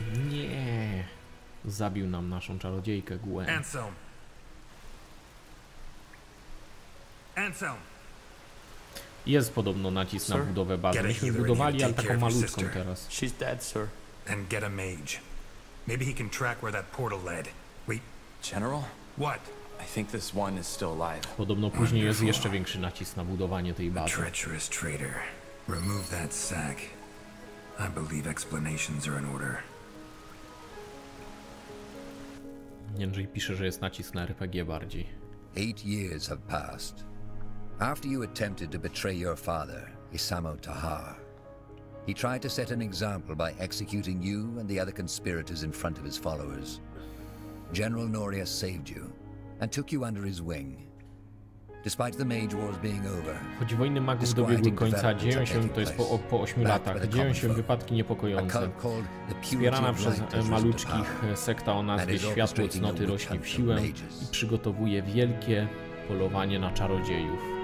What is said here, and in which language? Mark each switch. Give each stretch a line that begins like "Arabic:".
Polish: Nie. Zabił nam naszą czarodziejkę, Gwen. Anselm. Jest podobno nacisk na budowę bazy. Myśmy budowali, ale taką malutką teraz.
English: She's dead, sir. Then get a mage. Maybe he can track where that portal led. Wait. General? What? I think this one is still alive.
Polish: Podobno później jest jeszcze większy nacisk na budowanie tej bazy.
English: Treacherous traitor. Remove that sack. I believe explanations are in order.
Polish: Jędrzej pisze, że jest nacisk na RPG bardziej.
English: 8 years have passed. After you attempted to betray your father, Isamu Tahar, he tried to set an example by executing you and the other conspirators in front of his followers. General Noria saved you and took you under his wing. Despite the Mage Wars being over,
Polish: choć wojny magów dobiegły końca, dzieją się, to jest po 8 latach, dzieją się wypadki niepokojące. Wspierana przez maluczkich sekta o nazwie Światło Cnoty rośnie w siłę i przygotowuje wielkie polowanie na czarodziejów.